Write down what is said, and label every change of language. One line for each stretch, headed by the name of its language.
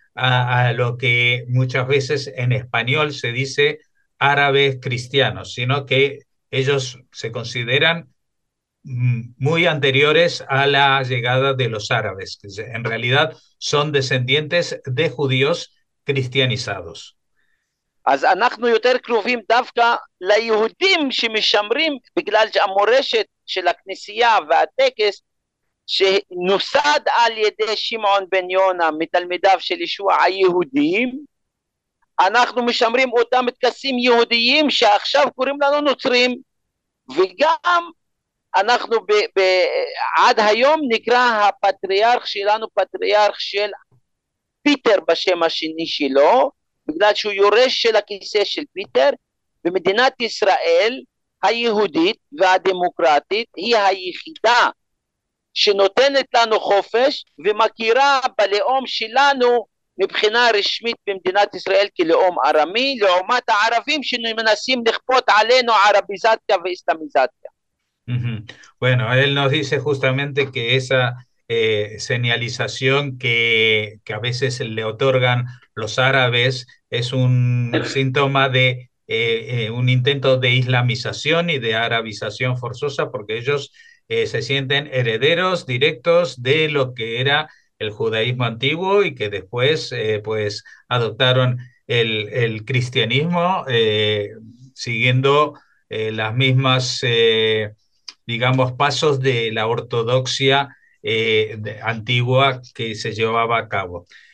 Spanish: a lo que muchas veces en español se dice árabes cristianos, sino que ellos se consideran muy anteriores a la llegada de los árabes, que en realidad son descendientes de judíos cristianizados.
Hebrew: אז אנחנו יותר קרובים דווקא ליהודים שמשמרים בגלל שהמורשת של הכנסייה והטקס שנוסד על ידי שמעון בן יונה מתלמידיו של ישוע היהודים, אנחנו משמרים אותם טקסים יהודיים שעכשיו קוראים לנו נוצרים, וגם אנחנו עד היום נקרא הפטריארך שלנו פטריארך של פיטר בשם השני שלו, בגלל שהוא יורש של הכיסא של פיטר, ומדינת ישראל היהודית והדמוקרטית היא היחידה שנותנת לנו חופש ומכירה בלאום שלנו מבחינה רשמית במדינת ישראל כלאום ארמי, לעומת הערבים שמנסים לכפות עלינו ערביזציה ואיסלאמיזציה.
Spanish: Bueno, él nos dice justamente que esa señalización que a veces le otorgan los árabes es un síntoma de un intento de islamización y de arabización forzosa, porque ellos se sienten herederos directos de lo que era el judaísmo antiguo y que después pues adoptaron el cristianismo siguiendo las mismas digamos, pasos de la ortodoxia antigua que se llevaba a cabo.